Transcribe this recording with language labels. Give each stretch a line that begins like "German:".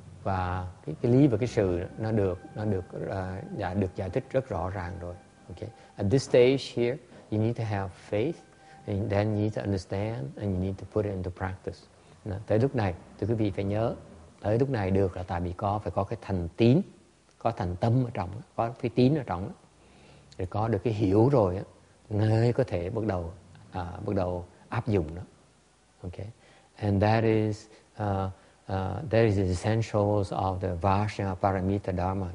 Vietnamese: và cái lý và cái sự nó được đã được giải thích rất rõ ràng rồi.
English: Okay. At this stage here, you need to have faith, and then you need to understand, and you need to put it into practice.
Vietnamese: Tới lúc này, thưa quý vị phải nhớ, tới lúc này được là tại vì có phải có cái thành tín, có thành tâm ở trong, có cái tín ở trong, để có được cái hiểu rồi á, mới có thể bắt đầu áp dụng đó.
English: Okay. And that is the essentials of the Vajra Paramita Dharma.